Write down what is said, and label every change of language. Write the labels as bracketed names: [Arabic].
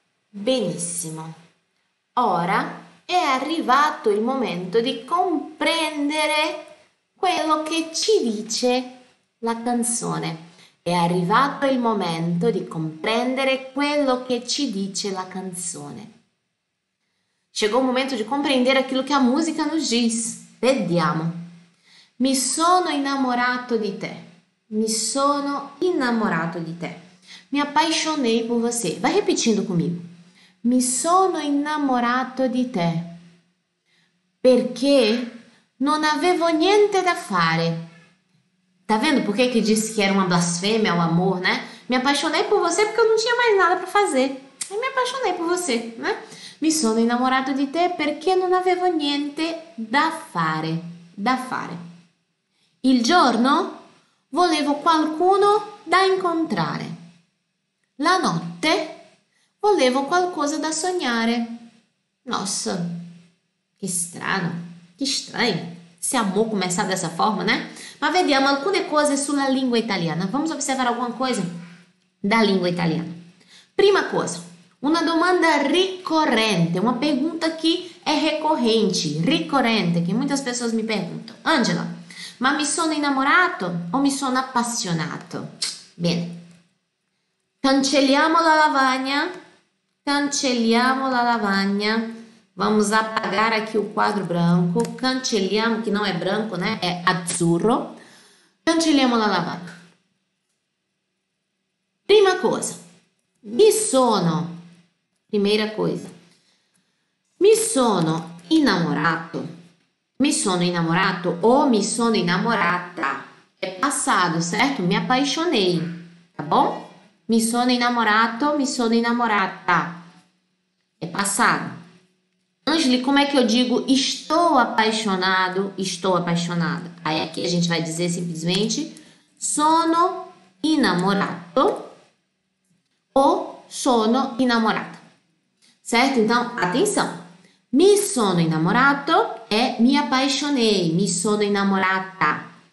[Italian] Benissimo, ora è arrivato il momento di comprendere quello che ci dice la canzone. È arrivato il momento di comprendere quello che ci dice la canzone. [Portuguese] Chegou o momento [Italian] di comprendere [Portuguese] aquilo che a música nos diz. [Italian] Vediamo. Mi sono innamorato di te. Mi sono innamorato di te. [Portuguese] Mi appaixonei por você. Vai repetindo comigo. [Italian] Mi sono innamorato di te perché non avevo niente da fare. [Portuguese] Tá vendo por que disse que era uma blasfêmia ao amor, né? Me apaixonei por você porque eu não tinha mais nada para fazer. E me apaixonei por você, né? [Italian] Mi sono innamorato di te perché non avevo niente da fare. Da fare. Il giorno volevo qualcuno da incontrare. La notte volevo qualcosa da sognare. [Portuguese] Nossa, [Italian] che strano, [Portuguese] che estranho. Se amor começar dessa forma, né? [Italian] Mas vediamo alcune cose sulla lingua italiana. [Portuguese] Vamos observar alguma coisa da língua italiana. [Italian] Prima cosa, una domanda ricorrente, [Portuguese] uma pergunta que é recorrente, ricorrente, que muitas pessoas me perguntam. [Italian] Angela, ma mi sono innamorato o mi sono appassionato? Bene. Cancelliamo la lavagna. Cancelliamo la lavagna. [Portuguese] Vamos apagar aqui o quadro branco. Cancelliamo, que não é branco, né? É azzurro. [Italian] Cancelliamo la lavagna. Prima cosa. Mi sono. [Portuguese] Primeira coisa. [Italian] Mi sono innamorato. Mi sono innamorato ou mi sono innamorata. [Portuguese] É passado, certo? Me apaixonei. Tá bom? [Italian] Mi sono innamorato, mi sono innamorata. [Portuguese] É passado. Angeli, como é que eu digo estou apaixonado, estou apaixonada? Aí aqui a gente vai dizer simplesmente [Italian] sono innamorato ou sono innamorata. [Portuguese] Certo? Então, atenção. [Italian] Mi sono innamorato [Portuguese] é mi apaixonei, [Italian] mi sono innamorata.